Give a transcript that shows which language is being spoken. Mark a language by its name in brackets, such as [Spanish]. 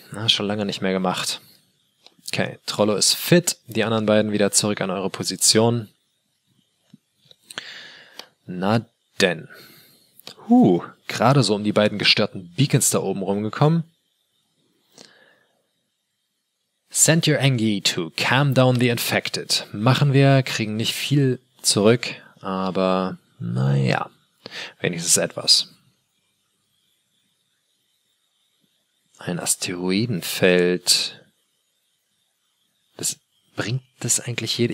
[German] Na, schon lange nicht mehr gemacht. Okay, Trollo ist fit. Die anderen beiden wieder zurück an eure Position. Na denn. Gerade so um die beiden gestörten Beacons da oben rumgekommen. [English] Send your Engie to calm down the infected. [German] Machen wir, kriegen nicht viel zurück, aber naja, wenigstens etwas. Ein Asteroidenfeld. Das bringt das eigentlich jede...